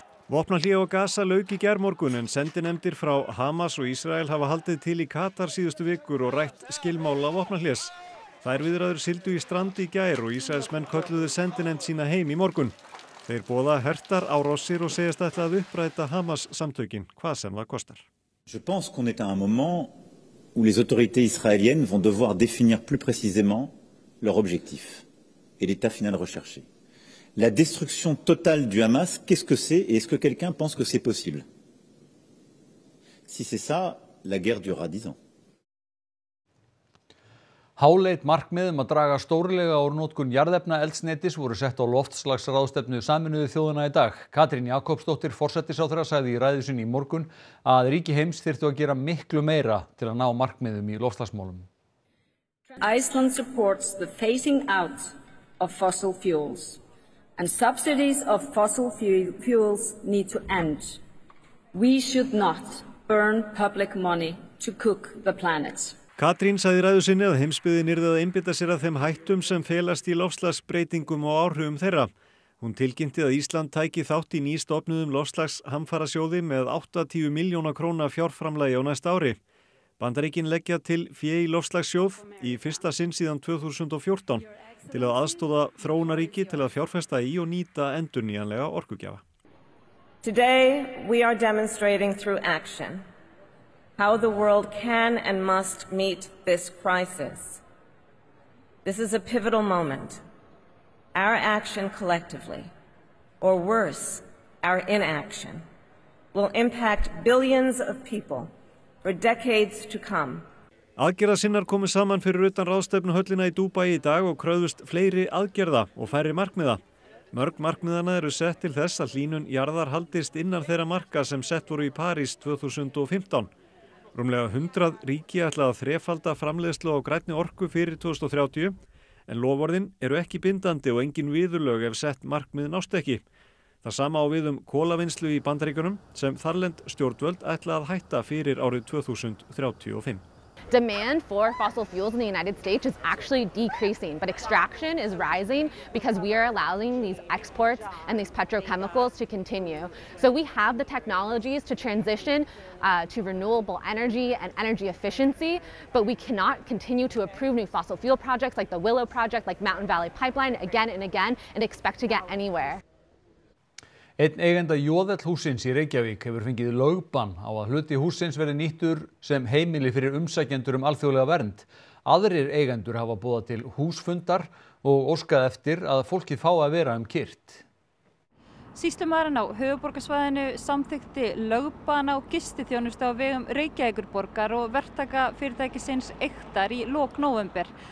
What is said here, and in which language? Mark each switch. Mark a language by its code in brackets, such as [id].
[is] Vopnahlé á Gaza lauk í gærmorgun en sendinefndir frá Hamas og Ísrael hafa haldið til í Katar síðustu vikur og rætt skilmála vopnahlés. Þær viðræður sigldu í strand í gær og Ísraelsmenn kölluðu sendinefnd sína heim í morgun. Þeir boða hertar árásir og segjast ætla að uppræta Hamas samtökin, hvað sem það kostar. [fr] Je pense qu'on est à un moment où les autorités israéliennes vont devoir définir plus précisément leur objectif et l'état final recherché. La destruction totale du Hamas, qu'est-ce que c'est et est-ce que quelqu'un pense que c'est possible? Si c'est ça, la guerre durera 10 ans. [is] Háleit markmið að draga stórlega úr notkun jarðefnaeldsneytis voru sett á loftslagsráðstefnu Sameinuðu þjóðanna í dag. Katrín Jakobsdóttir forsætisráðherra sagði í ræðu sinni í morgun að ríki heims þyrftu að gera miklu meira til að ná markmiðum í loftslagsmálum. [en] Iceland supports the phasing out of fossil fuels and subsidies of fossil fuels need to end. We should not burn public money to cook the planet. [is] Katrín sagði ræðu sinni að heimsbyggðin yrði að einbeita sér að þeim hættum sem felast í loftslagsbreytingum og áhrifum þeirra. Hún tilkynnti að Ísland tæki þátt í nýstofnuðum loftslagshamfarasjóði með 80 milljóna króna fjárframlagi á næsta ári. Bandaríkin leggja til fé í loftslagssjóð í fyrsta sinn síðan 2014 til að aðstoða þróunaríki til að fjárfesta í og nýta endurnýjanlega orkugjafa. [en] Today we are demonstrating through action. How the world can and must meet this crisis. This is a pivotal moment. Our action collectively, or worse, our inaction, will impact billions of people for decades to come. [is] Aðgerðasinnar komu saman fyrir utan ráðstefnu höllina í Dubai í dag og kröfðust fleiri aðgerða og færri markmiða. Mörg markmiðana eru sett til þess að hlýnun jarðar haldist innan þeirra marka sem sett voru í París 2015. Rúmlega 100 ríki ætla að þrefalda framleiðslu á grænni orku fyrir 2030, en loforðin eru ekki bindandi og engin viðurlög ef sett markmið nást ekki. Það sama á við kolavinnslu í Bandaríkjunum sem þarlend stjórnvöld ætla að hætta fyrir árið 2035. [en] Demand for fossil fuels in the United States is actually decreasing, but extraction is rising because we are allowing these exports and these petrochemicals to continue. So we have the technologies to transition to renewable energy and energy efficiency, but we cannot continue to approve new fossil fuel projects like the Willow Project, like Mountain Valley Pipeline, again and again, and expect to get anywhere. [is] Einn eigenda Jóðell hússins í Reykjavík hefur fengið lögbann á að hluti hússins verði nýttur sem heimili fyrir umsækjendur alþjóðlega vernd. Aðrir eigendur hafa boðað til húsfundar og óskað eftir að fólkið fái að vera kyrrt. Sýslumaðurinn á höfuðborgarsvæðinu samþykkti lögbann á gistiþjónustu á vegum Reykjavíkurborgar og verktaka fyrirtækisins Eyktar í lok nóvember.